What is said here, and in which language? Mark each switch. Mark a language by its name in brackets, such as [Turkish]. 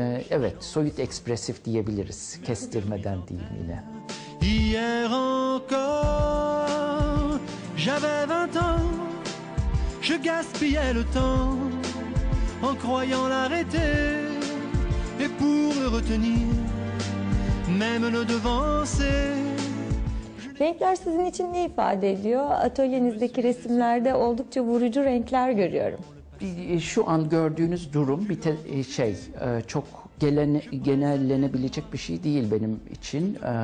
[Turkish] Evet, soyut ekspresif diyebiliriz, kestirmeden diyeyim yine. [French] Hier encore, j'avais 20 ans, je gaspillais le temps, en croyant l'arrêter, et pour le retenir, même le devancer. [Turkish] Renkler sizin için ne ifade ediyor? Atölyenizdeki resimlerde oldukça vurucu renkler görüyorum. Şu an gördüğünüz durum bir çok genellenebilecek bir şey değil benim için.